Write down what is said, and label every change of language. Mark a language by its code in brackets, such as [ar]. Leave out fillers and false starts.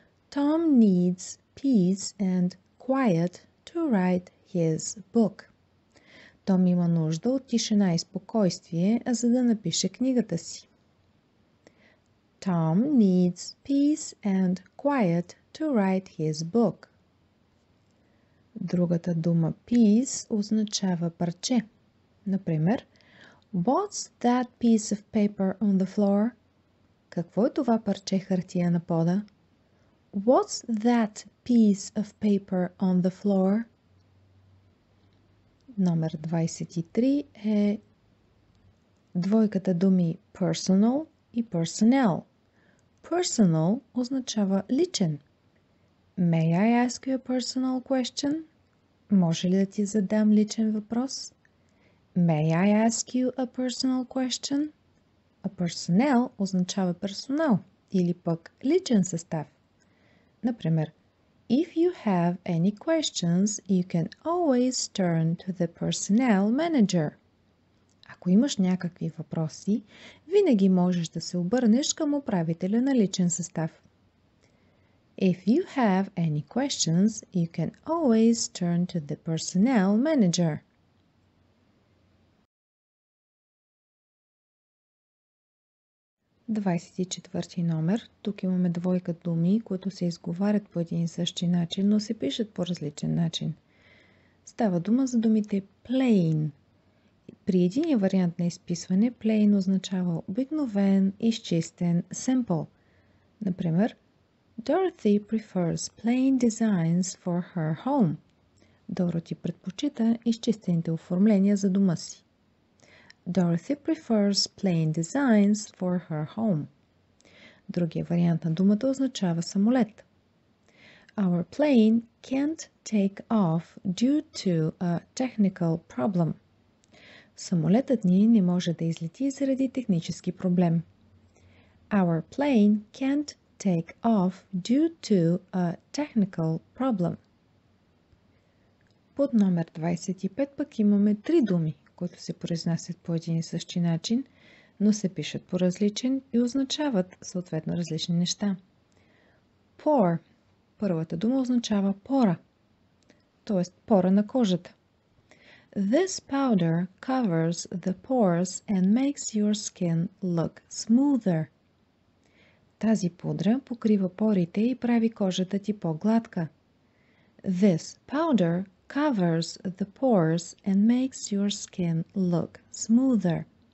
[en] Tom needs peace and quiet to write his book. [bg] Том има нужда от тишина и спокойствие, за да напише книгата си. [en] Tom needs peace and quiet to write his book. [bg] Другата дума peace означава парче. Например, [en] What's that piece of paper on the floor? [bg] Какво е това парче хартия на пода? [en] What's that piece of paper on the floor? [bg] Номер 23 е двойката думи personal и personnel. [en] Personal [bg] означава личен. [en] May I ask you a personal question? [bg] Може ли да ти задам личен въпрос? [en] May I ask you a personal question? [bg] A personnel означава персонал или пък личен състав. Например, [en] If you have any questions, you can always turn to the personnel manager. [bg] Ако имаш някакви въпроси, винаги можеш да се обърнеш към управителя на личен състав. [en] If you have any questions, you can always turn to the personnel manager. [bg] Двадесети четвърти номер. Тук имаме двойка думи, които се изговарят по един и същи начин, но се пишат по различен начин. Става дума за думите plain. При единия вариант на изписване, plain означава обикновен, изчистен, simple. Например, [en] Dorothy prefers plain designs for her home. [bg] Дороти предпочита изчистените оформления за дома си. [en] Dorothy prefers plain designs for her home. [bg] Другия вариант на думата означава самолет. [en] Our plane can't take off due to a technical problem. [bg] Самолетът ни не може да излети заради технически проблем. [en] Our plane can't take off due to a technical problem. [bg] Под номер 25 пък имаме три думи, които се произнасят по един и същи начин, но се пишат по различен и означават съответно различни неща. [en] Pore. [bg] Първата дума означава пора, т.е. пора на кожата. [en] This powder covers the pores and makes your skin look smoother. [bg] Тази пудра покрива порите и прави кожата ти по-гладка. [en] This powder covers the pores and makes your skin look smoother.